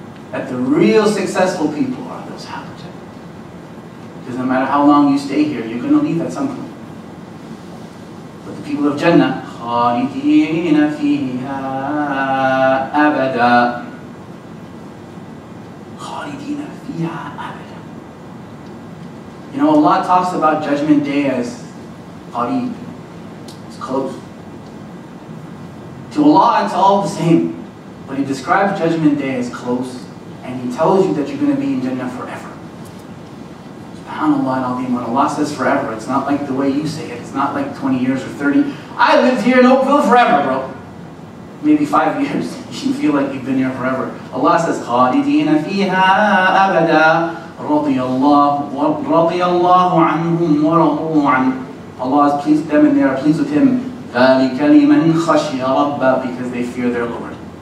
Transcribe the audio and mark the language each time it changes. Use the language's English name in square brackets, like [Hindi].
[English] That the real successful people are those happy. Because no matter how long you stay here, you're going to leave at some point. [Arabic] But the people of Jannah, خَالِدِينَ فِيهَا أَبَدًا, خَالِدِينَ فِيهَا أَبَدًا. [English] You know, Allah talks about Judgment Day as قَرِيب, it's close. To Allah, it's all the same. But He describes Judgment Day as close, and He tells you that you're going to be in Jannah forever. SubhanAllah al-Azim, when Allah says forever, it's not like the way you say it. It's not like 20 years or 30. I lived here in Oakville forever, bro. Maybe 5 years. You feel like you've been here forever. [Arabic] Allah says, خَالِدِينَ فِيهَا أَبَدًا رَضِيَ اللَّهُ عَنْهُمْ وَرَضُوا عَنْهُ. [English] Allah is pleased with them and they are pleased with Him. ذَلِكَ لِمَنْ خَشِيَ رَبَّهُ, because they fear their Lord.